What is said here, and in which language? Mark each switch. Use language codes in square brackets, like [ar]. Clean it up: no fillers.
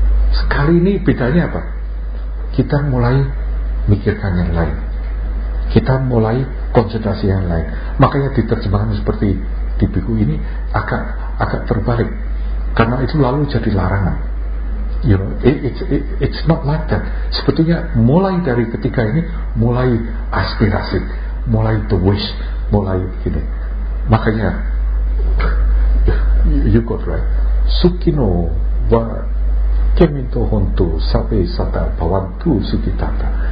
[id] Sekali ini bedanya apa? Kita mulai mikirkan yang lain, kita mulai konsentrasi yang lain. Makanya diterjemahkan seperti di buku ini agak terbalik, karena itu lalu jadi larangan. [en] You know, it's not like that. [id] Sebetulnya mulai dari ketika ini, mulai aspirasi, mulai [en] the wish, [id] mulai ini. Makanya [en] you got right. Sukino wa keminto hontu sabe sata bawantu sukitata.